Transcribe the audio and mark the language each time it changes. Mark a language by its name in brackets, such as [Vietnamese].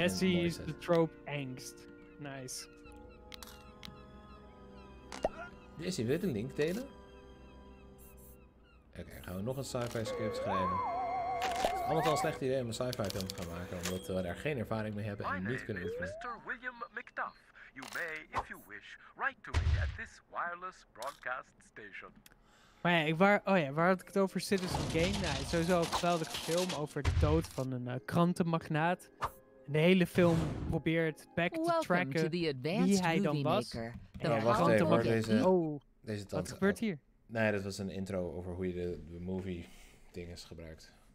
[Dutch] Jesse is de trope angst. Nice. Jesse, wil je de link delen? Oké, gaan we nog een sci-fi script schrijven. Het is allemaal wel een slecht idee om een sci-fi film te gaan maken, omdat we daar geen ervaring mee hebben en niet kunnen oefenen. [English] Mr. William McDuff. You may, if you wish, write to me at this wireless broadcast station. [Dutch] Maar ja, waar had ik het over Citizen Kane? Nou, sowieso een geweldige film over de dood van een krantenmagnaat. De hele film probeert back te tracken wie hij dan was. Deze tante. Wat gebeurt hier? Nee, dat was een intro over hoe je de movie ding is gebruikt.